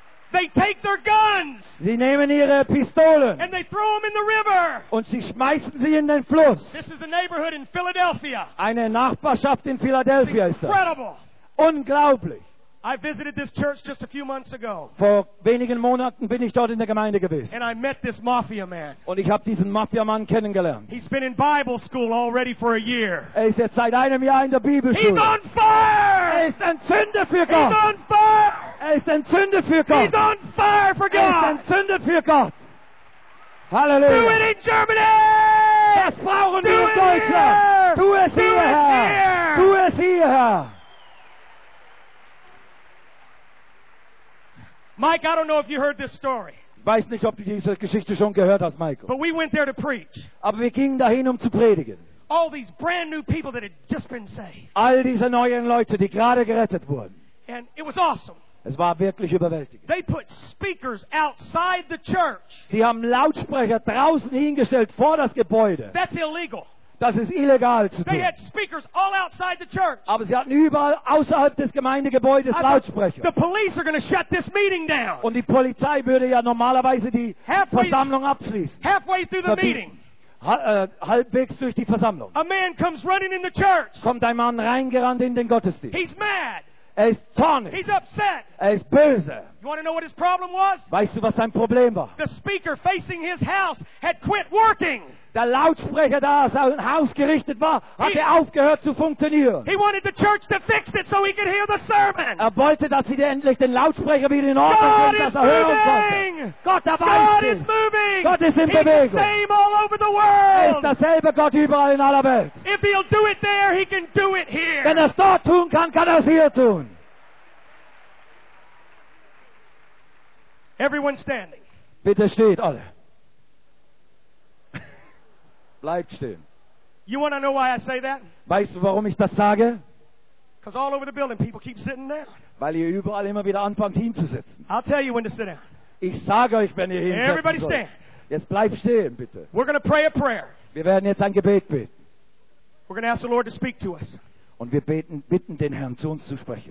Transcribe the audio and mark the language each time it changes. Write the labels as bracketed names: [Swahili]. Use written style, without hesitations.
[English] They take their guns. [German] Sie nehmen ihre Pistolen. [English] And they throw them in the river. [German] Und sie schmeißen sie in den Fluss. [English] This is a neighborhood in Philadelphia. [German] Eine Nachbarschaft in Philadelphia ist das. [English] Incredible. [German] Unglaublich. [English] I visited this church just a few months ago. [German] Vor wenigen Monaten bin ich dort in der Gemeinde gewesen. [English] And I met this mafia man. [German] Und ich habe diesen Mafiamann kennengelernt. [English] He's been in Bible school already for a year. [German] Er ist jetzt seit einem Jahr in der Bibelschule. [English] He's on fire! [German] Er ist entzündet für Gott. [English] He's on fire. [German] Er ist entzündet für Gott. [English] He's on fire for God. [German] Er ist entzündet für Gott. Halleluja. [English] Do it in Germany. [German] Das brauchen wir in Deutschland. Tu es hier, Herr. Tu es hier, Herr. [English] Mike, I don't know if you heard this story. [German] Weiß nicht, ob du diese Geschichte schon gehört hast, Michael. [English] But we went there to preach. [German] Aber wir gingen dahin, um zu predigen. [English] All these brand new people that had just been saved. [German] All diese neuen Leute, die gerade gerettet wurden. [English] And it was awesome. [German] Es war wirklich überwältigend. [English] They put speakers outside the church. [German] Sie haben Lautsprecher draußen hingestellt vor das Gebäude. [English] That's illegal. [German] Das ist illegal zu tun. [English] They had speakers all outside the church. [German] Aber sie hatten überall außerhalb des Gemeindegebäudes Lautsprecher. [English] The police are going to shut this meeting down. [German] Und die Polizei würde ja normalerweise die Versammlung abschließen. [English] Halfway through the meeting. [German] Halbwegs durch die Versammlung. [English] A man comes running in the church. [German] Kommt ein Mann reingerannt in den Gottesdienst. [English] He's mad. [German] Er ist zornig. [English] He's upset. [German] Er ist böse. [English] You want to know what his problem was? [German] Weißt du, was sein Problem war? [English] The speaker facing his house had quit working. [German] Der Lautsprecher, der sein Haus gerichtet war, hatte aufgehört zu funktionieren. [English] He wanted the church to fix it so he could hear the sermon. [German] Er wollte, dass sie endlich den Lautsprecher wieder in Ordnung bringen, dass er hören konnte. Gott, er weiß [English] God is moving. [German] Gott ist in Bewegung. [English] He's the same all over the world. [German] Er ist derselbe Gott überall in aller Welt. [English] If he'll do it there, he can do it here. [German] Wenn er es dort tun kann, kann er es hier tun. [English] Everyone standing. [German] Bitte steht alle. Bleibt stehen. [English] You want to know why I say that? [German] Weißt du, warum ich das sage? [English] Because all over the building people keep sitting down. [German] Weil ihr überall immer wieder anfangt hinzusitzen. [English] I'll tell you when to sit down. [German] Ich sage euch, wenn ihr hinsetzen [English] Everybody [German] sollt. [English] Stand. [German] Jetzt bleibt stehen, bitte. [English] We're going to pray a prayer. [German] Wir werden jetzt ein Gebet beten. [English] We're going to ask the Lord to speak to us. [German] Und wir bitten den Herrn, zu uns zu sprechen.